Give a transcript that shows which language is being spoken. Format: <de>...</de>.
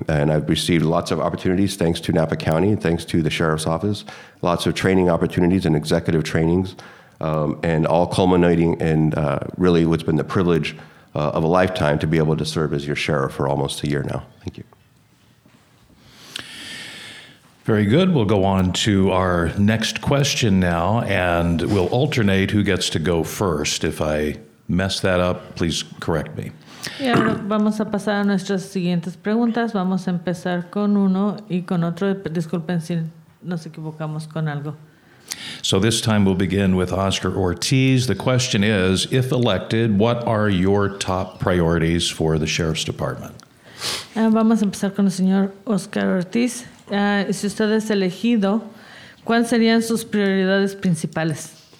<en>And I've received lots of opportunities thanks to Napa County, thanks to the sheriff's office, lots of training opportunities and executive trainings, and all culminating in really what's been the privilege of a lifetime to be able to serve as your sheriff for almost a year now. Thank you. Very good. We'll go on to our next question now, and we'll alternate who gets to go first. If I mess that up, please correct me.</en> <es>Y ahora vamos a pasar a nuestras siguientes preguntas. Vamos a empezar con uno y con otro. Disculpen si nos equivocamos con algo.</es> <en>So this time we'll begin with Oscar Ortiz. The question is, if elected, what are your top priorities for the Sheriff's Department?</en> <es>Vamos a empezar con el señor Oscar Ortiz. Si usted es elegido, ¿cuáles serían sus prioridades principales?</es>